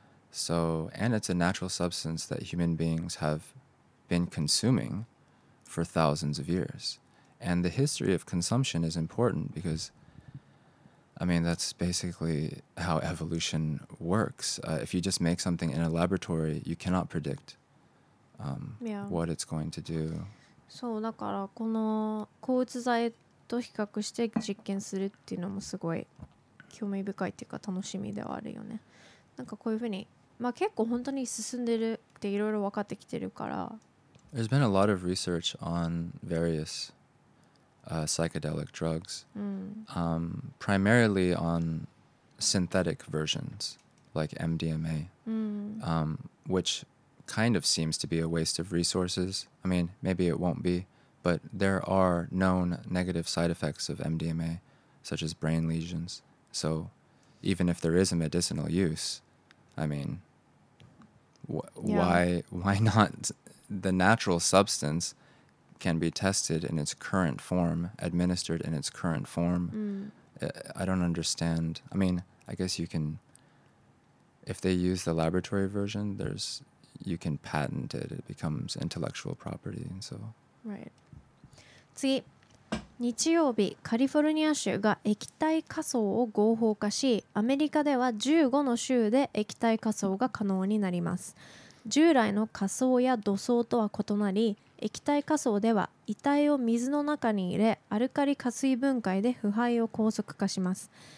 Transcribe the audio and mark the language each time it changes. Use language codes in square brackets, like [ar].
[en] So, and it's a natural substance that human beings have been consuming for thousands of years. And the history of consumption is important because, I mean, that's basically how evolution works. If you just make something in a laboratory, you cannot predict what it's going to do. [ja] そう、だからこの抗うつ剤と比較して実験するっていうのもすごい興味深いっていうか楽しみではあるよね。なんかこういうふうに、まあ結構本当に進んでるっていろいろ分かってきてるから。 [en] There's been a lot of research on various psychedelic drugs, primarily on synthetic versions like MDMA, which kind of seems to be a waste of resources. I mean, maybe it won't be, but there are known negative side effects of MDMA, such as brain lesions. So even if there is a medicinal use, I mean, why not? The natural substance can be tested in its current form, administered in its current form. I don't understand. I mean, I guess you can, if they use the laboratory version, there's, you can patent it. It becomes intellectual property and so. Right. [ja] 次、日曜日、カリフォルニア州が液体火葬を合法化し、アメリカでは15の州で液体火葬が可能になります。従来の火葬や土葬とは異なり、液体火葬では遺体を水の中に入れ、アルカリ化水分解で腐敗を高速化します。